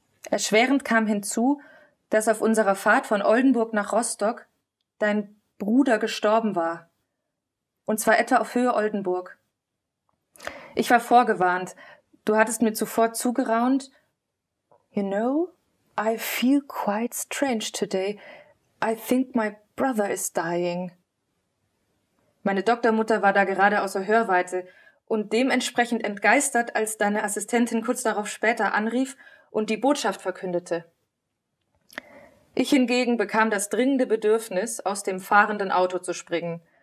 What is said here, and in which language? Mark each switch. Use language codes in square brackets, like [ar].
[de] Erschwerend kam hinzu, dass auf unserer Fahrt von Oldenburg nach Rostock dein Bruder gestorben war. Und zwar etwa auf Höhe Oldenburg. Ich war vorgewarnt. Du hattest mir zuvor zugeraunt. [en] You know, I feel quite strange today. I think my brother is dying. [de] Meine Doktormutter war da gerade außer Hörweite und dementsprechend entgeistert, als deine Assistentin kurz darauf später anrief und die Botschaft verkündete. Ich hingegen bekam das dringende Bedürfnis, aus dem fahrenden Auto zu springen.